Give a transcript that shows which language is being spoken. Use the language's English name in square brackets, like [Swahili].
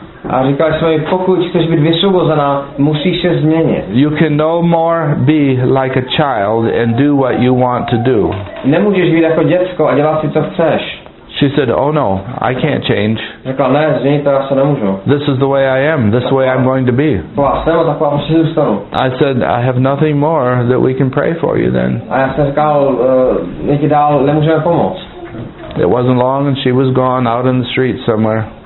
[Czech] A říkal jsem jí, pokud chceš být vysvobozená, musíš se změnit. [English] You can no more be like a child and do what you want to do." [Czech] Nemůžeš být jako děcko a dělat si, co chceš. [English] She said, "Oh no, I can't change." [Czech] Řekla, ne, změnit to já se nemůžu. [English] "This is the way I am, this [Czech] taková, [English] way I'm going to be." [Czech] Taková jsem, taková musí zůstanu. [English] I said, "I have nothing more that we can pray for you then." [Czech] A já jsem říkal, my ti dál nemůžeme pomoct. [English] It wasn't long and she was gone out in the street somewhere.